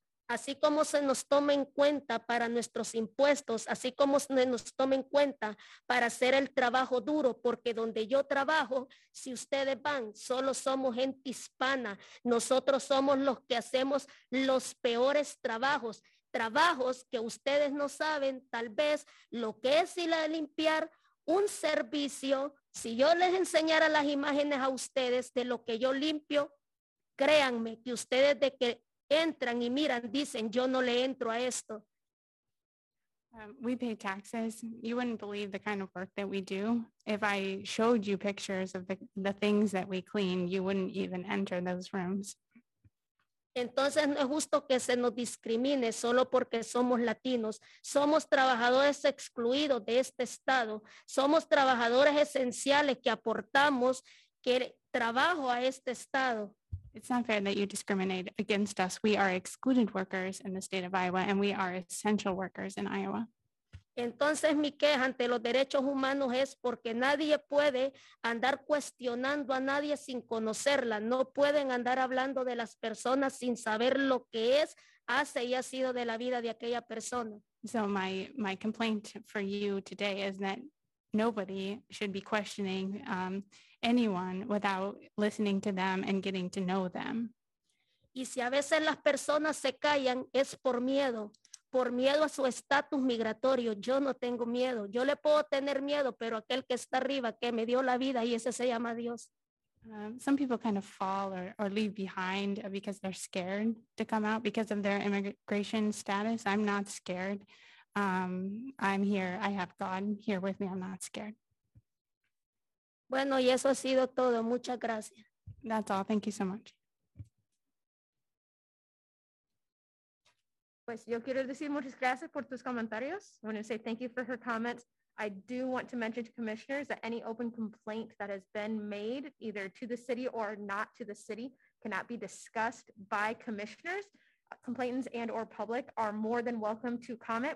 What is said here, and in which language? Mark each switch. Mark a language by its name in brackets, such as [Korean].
[Spanish] así como se nos toma en cuenta para nuestros impuestos, así como se nos toma en cuenta para hacer el trabajo duro, porque donde yo trabajo, si ustedes van, solo somos gente hispana. Nosotros somos los que hacemos los peores trabajos, trabajos que ustedes no saben, tal vez, lo que es ir a limpiar un servicio. Si yo les enseñara las imágenes a ustedes de lo que yo limpio, créanme que ustedes de que entran y miran, dicen, yo no le entro a esto. [English] We pay taxes. You wouldn't believe the kind of work that we do. If I showed you pictures of the things that we clean, you wouldn't even enter those rooms. [Spanish] Entonces no es justo que se nos discrimine solo porque somos latinos. Somos trabajadores excluidos de este estado. Somos trabajadores esenciales que aportamos que trabajo a este estado. [English] It's not fair that you discriminate against us. We are excluded workers in the state of Iowa, and we are essential workers in Iowa. [Spanish] Entonces mi queja ante los derechos humanos es porque nadie puede andar cuestionando a nadie sin conocerla. No pueden andar hablando de las personas sin saber lo que es, hace y ha sido de la vida de aquella persona. [English] So my complaint for you today is that nobody should be questioning anyone without listening to them and getting to know them. [Spanish] Y si a veces las personas se callan es por miedo a su estatus migratorio. Yo no tengo miedo. Yo le puedo tener miedo, pero aquel que está arriba, que me dio la vida, y ese se llama Dios. [English] Some people kind of fall or leave behind because they're scared to come out because of their immigration status. I'm not scared. I'm here. I have God here with me. I'm not scared. [Spanish] Bueno, y eso ha sido todo. Muchas gracias. [English] That's all. Thank you so much. [Spanish] Pues yo quiero decir muchas gracias por tus comentarios. [English] I want to say thank you for her comments. I do want to mention to commissioners that any open complaint that has been made either to the city or not to the city cannot be discussed by commissioners. Complainants and or public are more than welcome to comment.